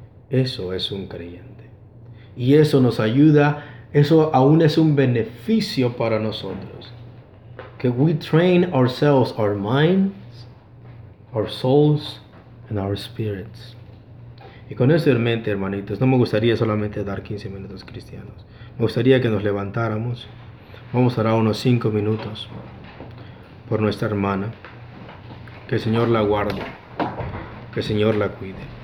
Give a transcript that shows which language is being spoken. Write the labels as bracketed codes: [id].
[es] Eso es un creyente. Y eso nos ayuda. Eso aún es un beneficio para nosotros. Que [en] we train ourselves, our minds, our souls, and our spirits. [es] Y con eso en mente, hermanitos, no me gustaría solamente dar 15 minutos cristianos. Me gustaría que nos levantáramos. Vamos a dar unos 5 minutos por nuestra hermana. Que el Señor la guarde. Que el Señor la cuide.